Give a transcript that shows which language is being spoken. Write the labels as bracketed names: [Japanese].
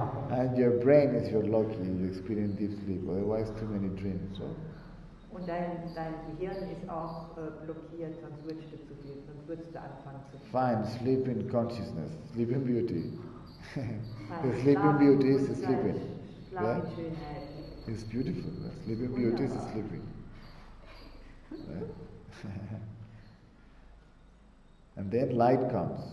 [English] And your brain is your lucky. You experience deep sleep. Otherwise, too many dreams. So. [German] Und dein Gehirn ist auch blockiert. Sonst würdest du zu viel. Sonst würdest du anfangen zu viel. [English] Fine. Sleep in consciousness. Sleep in beauty. The sleeping beauty is sleeping. Yeah? It's beautiful. The sleeping beauty is sleeping. And then light comes.